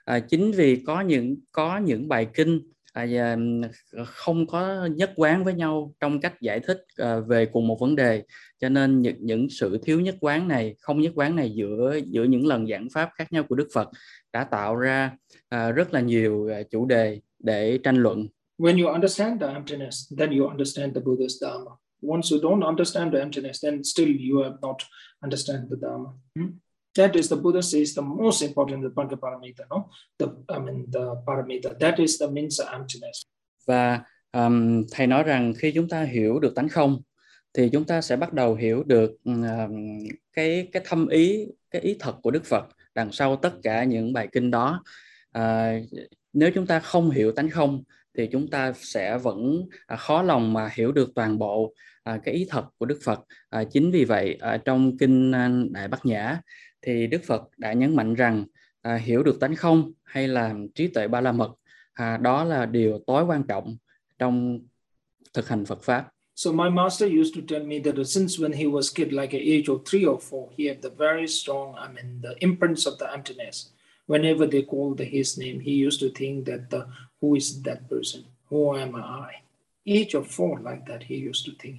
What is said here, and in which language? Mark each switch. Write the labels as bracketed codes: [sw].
[vi] Chính vì có những bài kinh không có nhất quán với nhau trong cách giải thích về cùng một vấn đề, cho nên những sự thiếu nhất quán này, không nhất quán này giữa những lần giảng pháp khác nhau của Đức Phật đã tạo ra rất là nhiều chủ đề để tranh luận. [en] When you understand the emptiness, then you understand the Buddha's Dharma. Once you don't understand the emptiness, then still you have not understand the Dharma. That is the Buddha says the most important, the Pancaparamita, no? The Paramita. That is the means of emptiness. [vi] Và thầy nói rằng khi chúng ta hiểu được tánh không, thì chúng ta sẽ bắt đầu hiểu được cái thâm ý, cái ý thật của Đức Phật đằng sau tất cả những bài kinh đó. Nếu chúng ta không hiểu tánh không, thì chúng ta sẽ vẫn khó lòng mà hiểu được toàn bộ cái ý thật của Đức Phật. Chính vì vậy, trong kinh Đại Bát Nhã, thì Đức Phật đã nhấn mạnh rằng hiểu được tánh không hay là trí tuệ ba la mật, đó là điều tối quan trọng trong thực hành Phật Pháp. [en] So my master used to tell me that since when he was kid, like the age of 3 or 4, he had the very strong, the imprints of the emptiness. Whenever they called his name, he used to think that who is that person? Who am I? Age of 4, like that, he used to think.